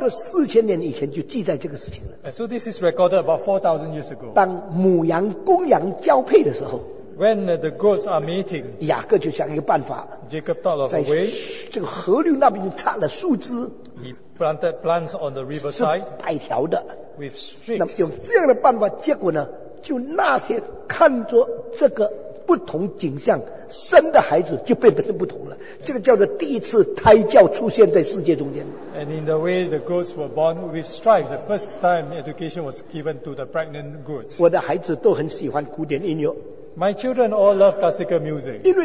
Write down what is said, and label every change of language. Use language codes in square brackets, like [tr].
[zh] 圣经在差不多4000年以前就记载这个事情了。 [en] And so this is recorded about 4,000 years ago. [zh] 当母羊公羊交配的时候。 [en] When the goats are mating, [zh] 雅各就想一个办法, [en] Jacob thought of a way. [zh] 在这个河流那边插了树枝, [en] he planted plants on the riverside, [zh] 是摆条的, [en] with streaks. [zh] 那么用这样的办法，结果呢，就那些看着这个不同景象生的孩子就变成不同了。这个叫做第一次胎教出现在世界中间。 [en] And in the way the goats were born with stripes, the first time education was given to the pregnant goats. [zh] 我的孩子都很喜欢古典音乐。 [en] My children all love classical music.